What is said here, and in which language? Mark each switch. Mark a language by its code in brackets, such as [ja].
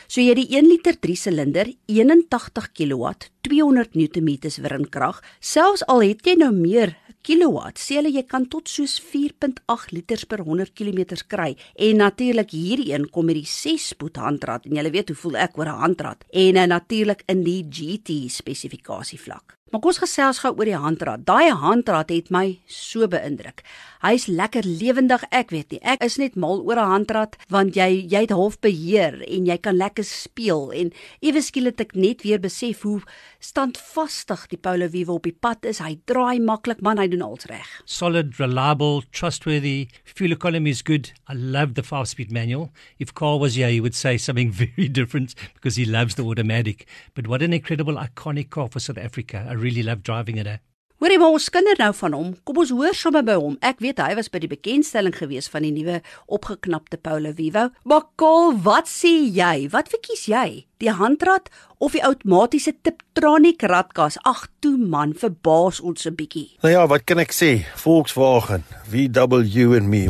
[af] So jy het die 1 liter 3 silinder 81 kilowatt 200 Newtonmeters wringkrag, selfs al het jy nou meer kilowatt, sê hulle jy kan tot soos 4.8 liters per 100 kilometers kry en natuurlik hierdie een kom met die 6-spoed handrad en julle weet hoe voel ek oor 'n handrad en natuurlik in die GT spesifikasie vlak. Maar kom ons gesels gou oor die handrad. Daai handrad het my so beïndruk. Hy is lekker lewendig, ek weet nie. Ek is net mal oor 'n handrad, want jy het half beheer en jy kan lekker speel. En ewe skielik het ek net weer besef hoe standvastig die Polo Vivo op die pad is. Hy draai maklik, man, hy doen alles reg. [en] Solid, reliable, trustworthy, fuel economy is good. I love the 5-speed manual. If Carl was here, he would say something very different because he loves the automatic. But what an incredible, iconic car for South Africa. I really love driving it. [af] Hoorie, maar ons kinder nou van hom, kom ons hoor sommer by hom. Ek weet, hy was by die bekendstelling gewees van die nuwe opgeknapte Polo Vivo. Maar Kaal, wat sê jy? Wat verkies jy? Die handrad of die outomatiese Tiptronic ratkas? Ag toe man, verbaas ons 'n bietjie. Nou ja, wat kan ek sê? Volkswagen, VW [en] and me.